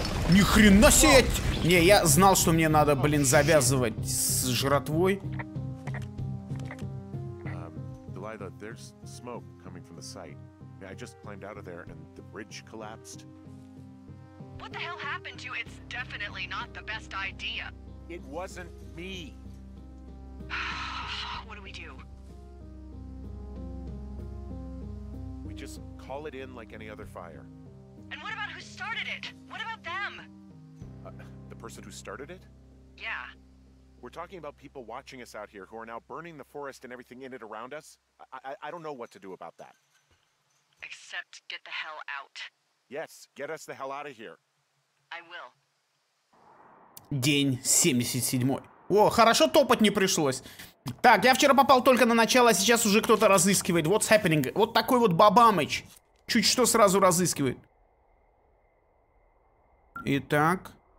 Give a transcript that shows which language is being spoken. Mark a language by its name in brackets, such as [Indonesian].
[Russian] Ни хрена себе! Не, я знал, что мне надо, блин, завязывать с жратвой. [English] Delilah, there's smoke coming from the site. I just climbed out of there and the bridge collapsed. What the hell happened to you? It's definitely not the best idea. It wasn't me. What do? We just call it in like any other fire. And what about who started it? What about them? The person who started it? Yeah. We're talking about people watching us out here who are now burning the forest and everything in it around us. I don't know what to do about that. Except get the hell out. Yes, get us the hell out of here. I will. [Russian] День 77. О, хорошо, топать не пришлось. Так, я вчера попал только на начало, а сейчас уже кто-то разыскивает. [English] What's happening? [Russian] Вот такой вот бабамыч. Чуть что сразу разыскивает. Итак.